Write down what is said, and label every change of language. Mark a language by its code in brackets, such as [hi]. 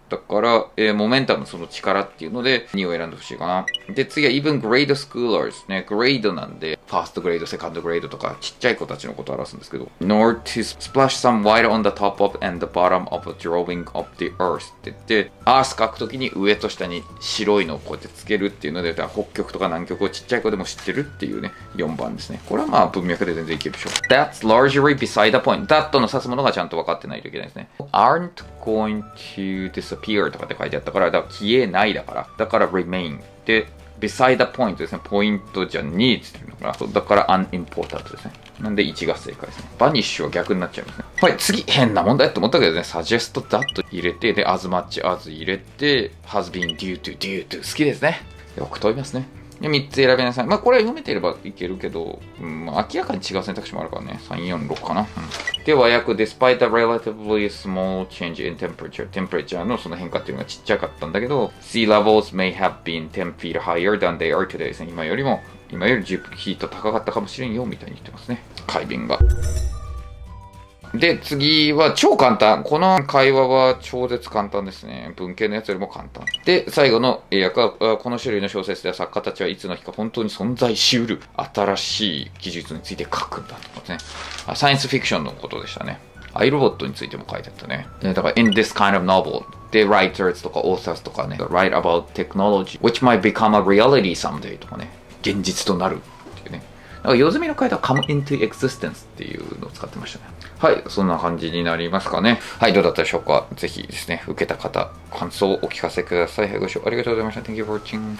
[ja] だから、モメンタム、その力っていうので、2を選んでほしいかな。で、次は [en] even grade schoolers [ja] ね。 grade なんで、 [en] first grade, second grade [ja] とか、ちっちゃい子たちのことを表すんですけど。 [en] nor to splash some water on the top of and the bottom of a drawing of the earth [ja] って言って、earth 書くときに上と下に白いのをこうやってつけるっていうので、北極とか南極をちっちゃい子でも知ってるっていうね、4番ですね。これはまあ文脈で全然いけるでしょう。 [en] that's largely beside the point. [ja] that の指すものがちゃんと分かってないといけないですね。 [en] aren't going to disappear [ja] とかって書いてあったから、だから消えないだから。だから remain で、 [en] beside the point [ja] ですね。ポイントじゃねえって言うのかな。そう、だから unimportant ですね。なんで1が正解ですね。banish は逆になっちゃいますね。はい、次、変な問題って思ったけどね、 [en] suggest that [ja] 入れて、で、 [en] as much as [ja] 入れて、 [en] has been due to [ja] 好きですね。よく問いますね。で、3つ選びなさい。まあ、これ読めていればいけるけど、うん、まあ、明らかに違う選択肢もあるからね。 3、4、6かな。うん、で、和訳、 [en] despite a relatively small change in temperature。 temperature [ja] のその変化っていうのがちっちゃかったんだけど、 [en] sea levels may have been 10 feet higher than they are today ですね。 [ja] 今より10フィート高かったかもしれんよ、みたいに言ってますね。海便が。で、次は超簡単。この会話は超絶簡単ですね。文系のやつよりも簡単。で、最後の英訳は、この種類の小説では作家たちはいつの日か本当に存在しうる新しい技術について書くんだってことね。サイエンスフィクションのことでしたね。アイロボットについても書いてあったね。 [en] だから、in this kind of novel で、writers とか authors とかね、write about technology, which might become a reality someday とかね、 [ja] 現実となるっていうね。だから、よずみの回答は [en] come into existence [ja] っていうのを使ってましたね。はい、そんな感じになりますかね。はい、どうだったでしょうか。ぜひですね、受けた方、感想をお聞かせください。ご視聴ありがとうございました。 [en] Thank you for watching.